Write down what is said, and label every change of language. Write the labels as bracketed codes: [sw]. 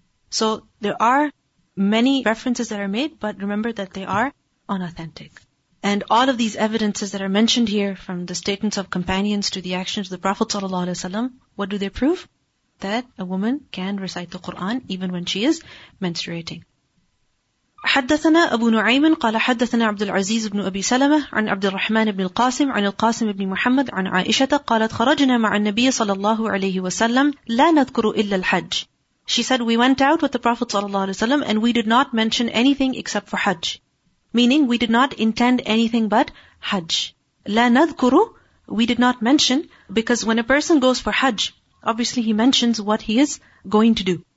[en] So there are many references that are made, but remember that they are unauthentic. And all of these evidences that are mentioned here, from the statements of companions to the actions of the Prophet sallallahu alaihi wasallam, what do they prove? That a woman can recite the Quran even when she is menstruating. [ar] حدثنا أبو نعيم قال حدثنا عبد العزيز بن أبي سلمة عن عبد الرحمن بن القاسم عن القاسم بن محمد عن عائشة قالت خرجنا مع النبي صلى الله عليه وسلم لا نذكر إلا الحج. [en] She said we went out with the Prophet [ar] صلى الله عليه وسلم [en] and we did not mention anything except for Hajj, meaning we did not intend anything but Hajj. لا نذكر, we did not mention, because when a person goes for Hajj, obviously, he mentions what he is going to do.